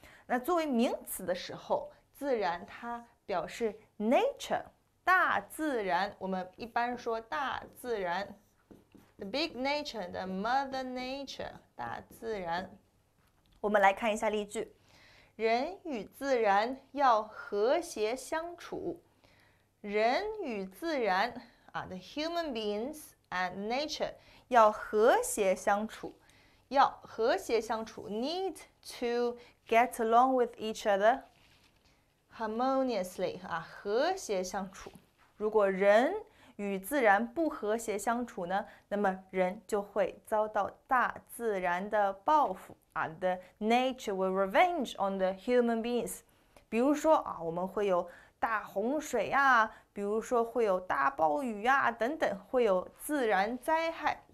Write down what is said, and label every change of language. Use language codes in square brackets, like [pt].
[zh] 那作为名词的时候，自然它表示 nature 大自然。我们一般说大自然。 [en] The big nature, the mother nature, [zh] 大自然。我们来看一下例句：人与自然要和谐相处。人与自然啊， [en] the human beings and nature [zh] 要和谐相处，要和谐相处， [en] need to get along with each other harmoniously [zh] 啊，和谐相处。如果人与自然不和谐相处呢，那么人就会遭到大自然的报复啊。 [en] The nature will revenge on the human beings。 [zh] 比如说啊，我们会有大洪水呀，比如说会有大暴雨呀，等等，会有自然灾害。